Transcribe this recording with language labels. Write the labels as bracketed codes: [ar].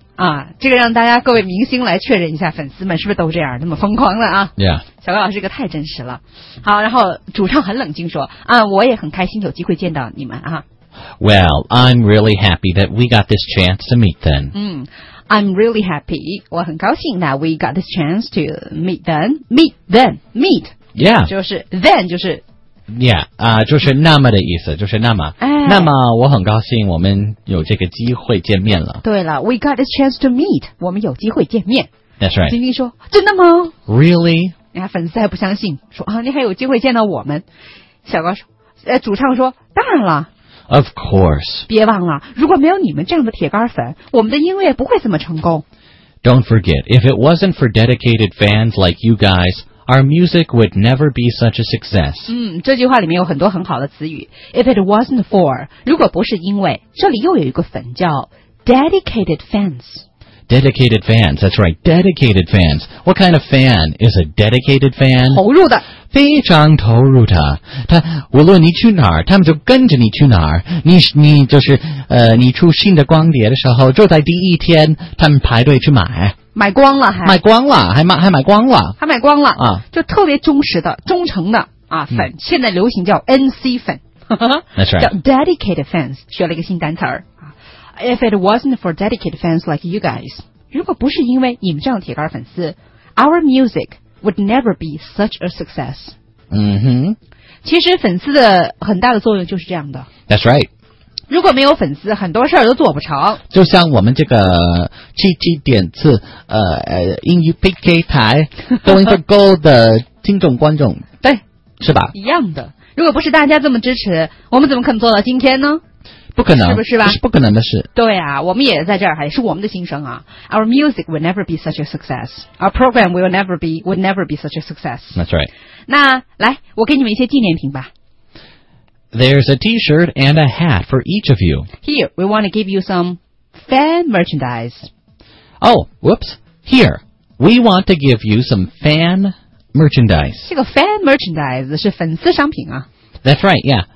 [zh] 啊，这个让大家各位明星来确认一下，粉丝们是不是都这样那么疯狂了啊 [en] ？Yeah， [zh] 小高老师这个太真实了。好，然后主唱很冷静说：“啊，我也很开心有机会见到你们啊。” [en] Well, I'm really happy that we got this chance to meet them. 嗯 ，I'm really happy. [zh] 我很高兴 [en] that we got this chance to meet them. Meet them. Meet. Yeah， [zh] 就是 [en] then [zh] 就是。 [en] Yeah, [zh] 就是那么的意思，就是那么。哎、那么我很高兴我们有这个机会见面了。对了 ， [en] We got a chance to meet， [zh] 我们有机会见面。 [en] That's right。 [zh] 晶晶说：“真的吗 [en] ？”Really？ [zh] 人家粉丝还不相信，说：“啊，你还有机会见到我们？” 小高说：“主唱说，当然了。 [en] ”Of course。 [zh] 别忘了，如果没有你们这样的铁杆粉，我们的音乐不会这么成功。 [en] Don't forget, if it wasn't for dedicated fans like you guys. Our music would never be such a success. [zh] 嗯，这句话里面有很多很好的词语。 [en] If it wasn't for, [zh] 如果不是因为，这里又有一个粉叫 [en] dedicated fans. Dedicated fans, that's right, dedicated fans. What kind of fan is a dedicated fan? [zh] 投入的。非常投入的。他，无论你去哪儿，他们就跟着你去哪儿。你就是，你出新的光碟的时候，就在第一天，他们排队去买。买光了还买光了还买光了还买光了啊就特别忠实的忠诚的啊粉、嗯、现在流行叫 NC 粉 [en] That's right. 叫 dedicated fans [zh] 学了一个新单词儿 [en] If it wasn't for dedicated fans like you guys [zh] 如果不是因为你们这样铁杆粉丝 [en] Our music would never be such a success [zh] 嗯哼其实粉丝的很大的作用就是这样的 [en] That's right [zh] 如果没有粉丝，很多事儿都做不成。就像我们这个七点次英语 PK 台 [en] going for gold [zh] 的听众观众，对，是吧？一样的。如果不是大家这么支持，我们怎么可能做到今天呢？不可能，是不是吧？是不可能的事。对啊，我们也在这儿，也是我们的心声啊。 [en] Our music will never be such a success. Our program will never be such a success. That's right. [zh] 那来，我给你们一些纪念品吧。 [en] There's a T-shirt and a hat for each of you. Here, we want to give you some fan merchandise. Oh, whoops. Here, we want to give you some fan merchandise. [zh] 这个 [en] fan merchandise [zh] 是粉丝商品啊。 [en] That's right, yeah.